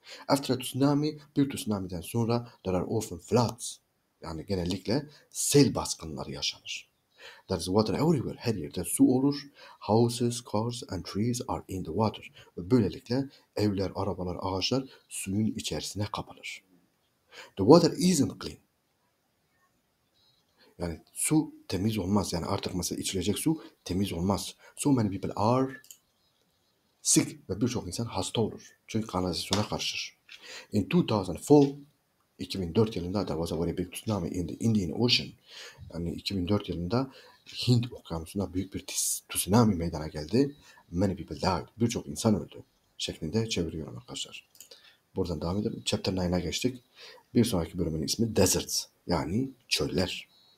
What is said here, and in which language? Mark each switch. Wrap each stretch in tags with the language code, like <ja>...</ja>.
<en>After a tsunami,</en> <tr>bir tsunamiden sonra</tr> <en>there are often floods.</en> <tr>Yani genellikle sel baskınları yaşanır.</tr> <en>There is water everywhere.</en> <tr>Her yerde su olur.</tr> <en>Houses, cars and trees are in the water.</en> <tr>Ve böylelikle evler, arabalar, ağaçlar suyun içerisine kapanır.</tr> <en>The water isn't clean.</en> <tr>Yani su temiz olmaz. Yani artık mesela içilecek su temiz olmaz.</tr> <en>So many people are sick.</en> <tr>Ve birçok insan hasta olur. Çünkü kanalizasyona karışır.</tr> <en>In 2004,</en> <tr>2004 yılında</tr> <en>there was a very big tsunami in the Indian Ocean.</en> <tr>Yani 2004 yılında Hint okyanusunda büyük bir tsunami meydana geldi.</tr> <en>Many people died.</en> <tr>Birçok insan öldü. Şeklinde çeviriyorum arkadaşlar. Buradan devam edelim. Chapter 9'a geçtik. Bir sonraki bölümün ismi Deserts. Yani çöller.</tr>